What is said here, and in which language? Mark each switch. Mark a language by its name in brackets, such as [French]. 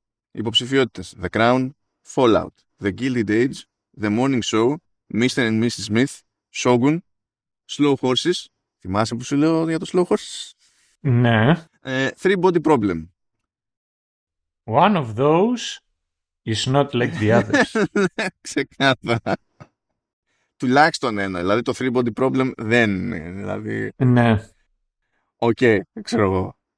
[Greek] Υποψηφιότητες: The Crown, Fallout, The Gilded Age, The Morning Show, Mr. and Mrs. Smith, Shogun, Slow Horses. Θυμάσαι που σου λέω για το Slow Horses? Ναι. Three Body Problem. [English] One of those is not like the others. [Greek] Ξεκάθαρα. Τουλάχιστον ένα. Δηλαδή το Three Body Problem δεν είναι. Δηλαδή... Ναι. Okay, ξέρω εγώ.